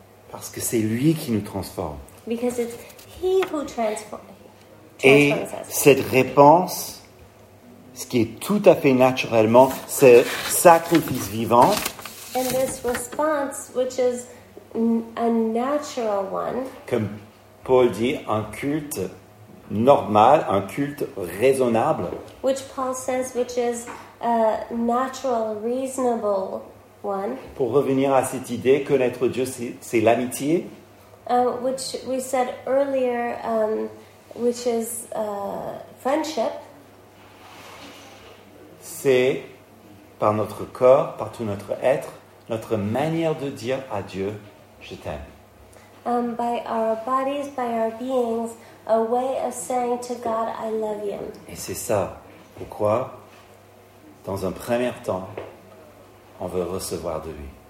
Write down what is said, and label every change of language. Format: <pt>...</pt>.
<fr>Parce que c'est lui qui nous transforme.</fr> <en>Because it's he who transforms us.</en> <fr>Et cette réponse, ce qui est tout à fait naturellement, c'est sacrifice vivant.</fr> <en>And this response, which is a natural one,</en> <fr>comme Paul dit, un culte normal, un culte raisonnable,</fr> <en>which Paul says, which is a natural, reasonable one.</en> <fr>Pour revenir à cette idée, connaître Dieu, c'est l'amitié.</fr> <en>Which we said earlier, which is friendship.</en> <fr>C'est par notre corps, par tout notre être, notre manière de dire à Dieu, je t'aime.</fr> <en>By our bodies, by our beings, a way of saying to God, I love you.</en> <fr>Et c'est ça. Pourquoi? Dans un premier temps, on veut recevoir de lui.</fr>